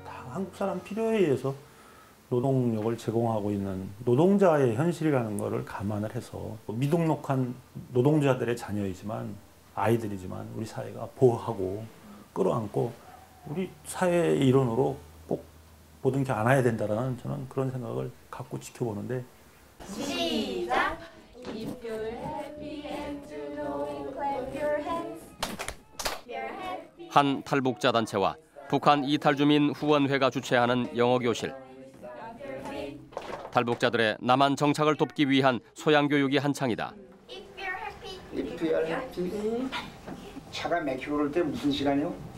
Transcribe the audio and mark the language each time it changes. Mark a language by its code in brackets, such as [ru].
[ko] 한국 사람 필요에 의해서 노동력을 제공하고 있는 노동자의 현실이라는 것을 감안을 해서 미등록한 노동자들의 자녀이지만 아이들이지만 우리 사회가 보호하고 끌어안고 우리 사회의 일원으로 꼭 모든 게 안아야 된다라는 저는 그런 생각을 갖고 지켜보는데 시작! [en] If you're happy and to know, clap your hands. You're happy. [ko] 한 탈북자 단체와 북한 이탈주민 후원회가 주최하는 영어교실. 탈북자들의 남한 정착을 돕기 위한 소양교육이 한창이다. [en] If you're happy. [ko] 차가 맥히고 그럴 때 무슨 시간이요?